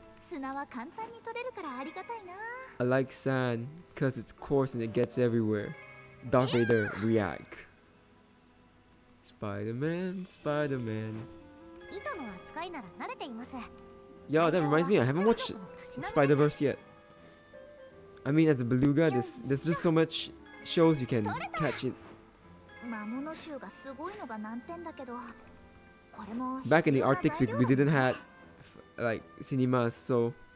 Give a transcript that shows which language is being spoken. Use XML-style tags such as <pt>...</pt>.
<ja>砂は簡単に取れるからありがたいな。</ja> <en>I like sand because it's coarse and it gets everywhere. Darth Vader, react. Spider-Man, Spider-Man.</en> <ja>糸の扱いなら慣れています。</ja> <en>Yo, that reminds me, I haven't watched Spider-Verse yet. I mean, as a Beluga, there's just so much shows you can catch it.</en> <ja>魔物臭がすごいのが難点だけど。</ja> <en>Back in the Arctic, we didn't have like cinemas, so.</en>